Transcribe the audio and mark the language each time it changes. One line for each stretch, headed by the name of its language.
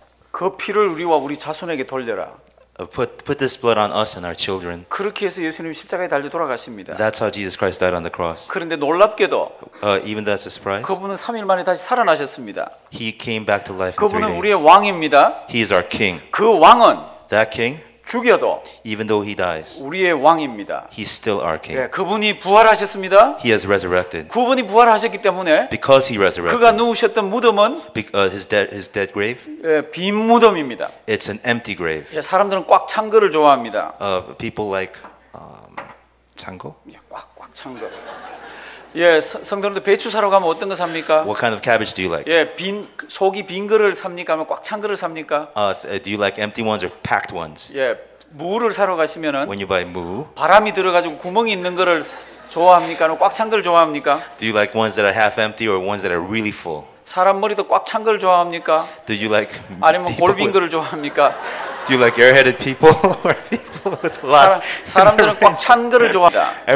Korean: 그 피를 우리와 우리 자손에게 돌려라.
English: put this blood on us and our children.
Korean: 그렇게 해서 예수님 십자가에 달려 돌아가십니다.
English: That's how Jesus Christ died on the cross.
Korean: 그런데 놀랍게도
English: even though that's a surprise.
Korean: 그분은 3일 만에 다시 살아나셨습니다.
English: He came back to life.
Korean: 그분은 우리의 왕입니다.
English: He is our king.
Korean: 그 왕은
English: that king
Korean: 죽여도
English: even though he dies
Korean: 우리의 왕입니다.
English: He's still our king.
Korean: 예, 그분이 부활하셨습니다.
English: He has resurrected.
Korean: 그분이 부활하셨기 때문에
English: because he resurrected.
Korean: 그가 누우셨던 무덤은
English: his dead grave.
Korean: 예, 빈 무덤입니다.
English: It's an empty grave.
Korean: 예, 사람들은 꽉 찬 거를 좋아합니다.
English: People like
Korean: 찬 거? 예, 꽉꽉 찬 거. 예, 성도님들 배추 사러 가면 어떤 거 삽니까?
English: What kind of cabbage do you like?
Korean: 예, 빈 속이 빈 거를 삽니까? 아니면 꽉 찬 거를 삽니까?
English: Do you like empty ones or packed ones?
Korean: 예, 무를 사러 가시면은
English: When you buy 무,
Korean: 바람이 들어가지고 구멍이 있는 거를 좋아합니까? 아니면 꽉 찬 거를 좋아합니까?
English: Do you like ones that are half empty or ones that are really full?
Korean: 사람 머리도 꽉 찬 거를 좋아합니까?
English: Do you like
Korean: 아니면 골빈 거를 좋아합니까?
English: Do you like airheaded people or people with a lot?
Korean: 사람들은 꽉 찬 거를 좋아합니다.